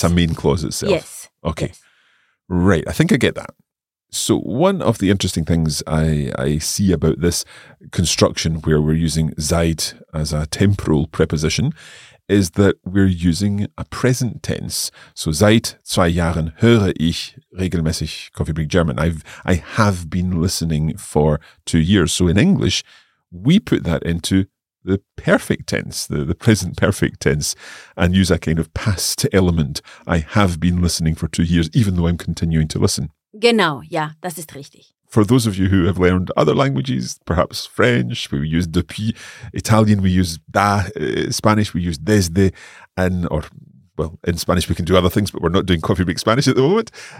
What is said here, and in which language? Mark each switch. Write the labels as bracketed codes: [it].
[en] And it's a main clause itself. Yes. Okay. Yes. Right, I think I get that. So one of the interesting things I see about this construction where we're using Zeit as a temporal preposition is that we're using a present tense. [de] So seit zwei Jahren höre ich regelmäßig Coffee Break German. [en] I have been listening for 2 years. So in English, we put that into the perfect tense, the present perfect tense, and use a kind of past element. I have been listening for 2 years, even though I'm continuing to listen. [de] Genau, ja, das ist richtig. [en] For those of you who have learned other languages, perhaps French, we use depuis, Italian, we use da, Spanish, we use desde, and, or, well, in Spanish we can do other things, but we're not doing Coffee Break Spanish at the moment.